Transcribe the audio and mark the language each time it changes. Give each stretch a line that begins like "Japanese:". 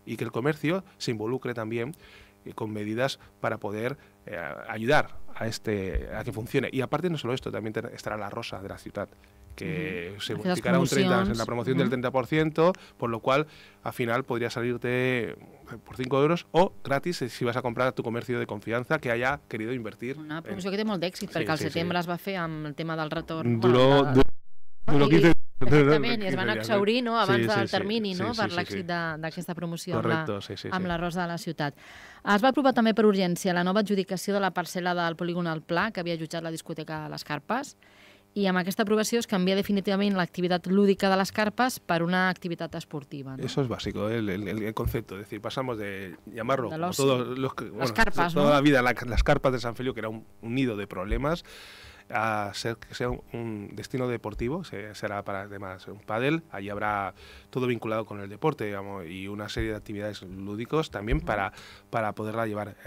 Spanish: Y que el comercio se involucre también con medidas para poder ayudar a que funcione. Y aparte no solo esto, también estará la rosa de la ciudad, que se multiplicará en la promoción del 30%, por lo cual al final podría salirte por 5 euros o gratis si vas a comprar a tu comercio de confianza que haya querido invertir.
Catalan: Una promoción que té molt d'èxit, perquè al setembre es va fer amb el tema del retorn. Exactament, i es van exaurir abans del termini per l'èxit d'aquesta promoció amb la rosa de la ciutat. Es va aprovar també per urgència la nova adjudicació de la parcel·la del polígon El Pla que havia jutjat la discoteca de les Carpes. I amb aquesta aprovació es canvia definitivament l'activitat lúdica de les carpes per una activitat esportiva.
Spanish: Eso es básico, el concepto. Es decir, pasamos de llamarlo... Las carpas, ¿no? Toda la vida, las carpas de San Feliu, que era un nido de problemas, a ser que sea un destino deportivo, será para además un pádel, allí habrá todo vinculado con el deporte, digamos, y una serie de actividades lúdicos también para poderla llevar.